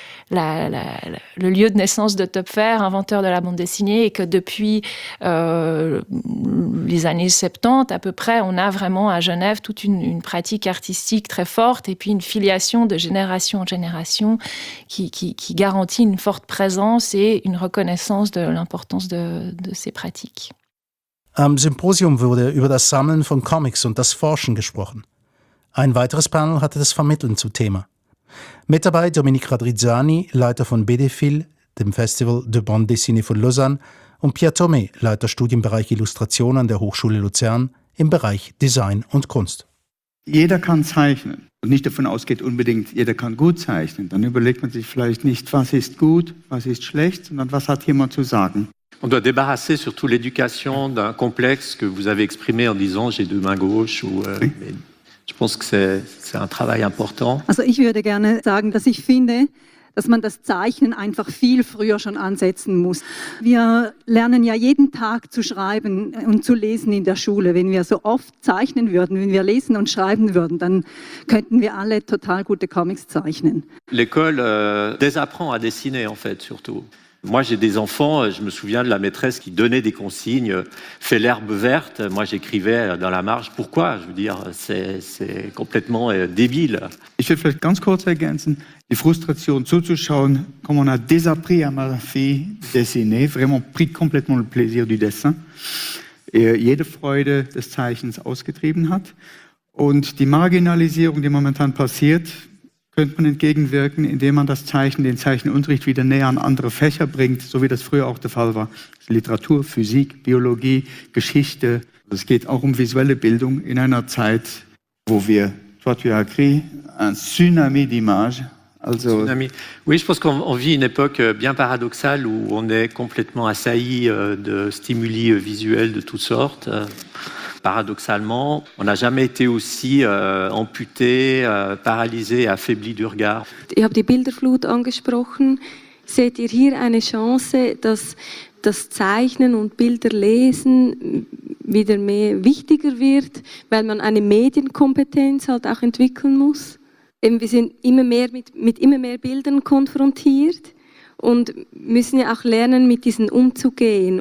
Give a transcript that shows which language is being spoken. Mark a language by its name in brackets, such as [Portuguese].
[French] le lieu de naissance de Töpffer, inventeur de la bande dessinée, et que depuis les années 70 à peu près, on a vraiment à Genève toute une pratique artistique très forte, et puis une filiation de génération en génération qui garantit une forte présence et une reconnaissance de l'importance de ces pratiques. [German] Am Symposium wurde über das Sammeln von Comics und das Forschen gesprochen. Ein weiteres Panel hatte das Vermitteln zum Thema. Mit dabei Dominik Radrizzani, Leiter von BDFIL, dem Festival de Bande Dessinée von Lausanne, und Pierre Thomé, Leiter Studienbereich Illustration an der Hochschule Luzern im Bereich Design und Kunst. Jeder kann zeichnen und nicht davon ausgeht unbedingt, jeder kann gut zeichnen. Dann überlegt man sich vielleicht nicht, was ist gut, was ist schlecht, sondern was hat jemand zu sagen. [French] On doit débarrasser surtout l'éducation d'un complexe que vous avez exprimé en disant « j'ai deux mains gauches » ou oui. « Je pense que c'est un travail important. [German] Also ich würde gerne sagen, dass ich finde, dass man das Zeichnen einfach viel früher schon ansetzen muss. Wir lernen ja jeden Tag zu schreiben und zu lesen in der Schule. Wenn wir so oft zeichnen würden, wenn wir lesen und schreiben würden, dann könnten wir alle total gute Comics zeichnen. [French] L'école désapprend à dessiner, en fait, surtout. Moi, j'ai des enfants, je me souviens de la maîtresse qui donnait des consignes, fais l'herbe verte. Moi, j'écrivais dans la marge. Pourquoi? Je veux dire, c'est complètement débile. [German] Ich will vielleicht ganz kurz ergänzen, die Frustration zuzuschauen, [French] comme on a désappris à ma fille dessiner, vraiment pris complètement le plaisir du dessin, [German] et jede Freude des Zeichens ausgetrieben hat. Und die Marginalisierung, die momentan passiert, könnte man entgegenwirken, indem man das Zeichen, den Zeichenunterricht wieder näher an andere Fächer bringt, so wie das früher auch der Fall war. Literatur, Physik, Biologie, Geschichte. Es geht auch um visuelle Bildung in einer Zeit, wo wir, [French] toi tu as écrit, un tsunami d'image. [German] Also, tsunami. [French] Oui, je pense qu'on vit une époque bien paradoxale où on est complètement assailli de stimuli visuels de toutes sortes. Paradoxalement, on n'a jamais été aussi amputé, paralysé, affaibli du regard. [German] Ich habe die Bilderflut angesprochen. Seht ihr hier eine Chance, dass das Zeichnen und Bilderlesen wieder mehr wichtiger wird, weil man eine Medienkompetenz halt auch entwickeln muss? Eben, wir sind immer mehr mit immer mehr Bildern konfrontiert und müssen ja auch lernen, mit diesen umzugehen.